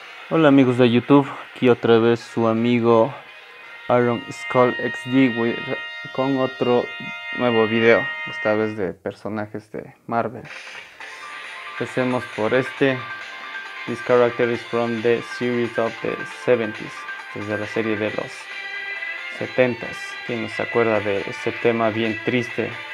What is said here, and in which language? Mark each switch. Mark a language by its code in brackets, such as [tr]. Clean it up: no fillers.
[es] Hola amigos de YouTube, aquí otra vez su amigo Aaron Skull XD con otro nuevo video, esta vez de personajes de Marvel. Empecemos por este. [en] This character is from the series of the 70s, [es] desde la serie de los 70s. ¿Quién nos acuerda de ese tema bien triste?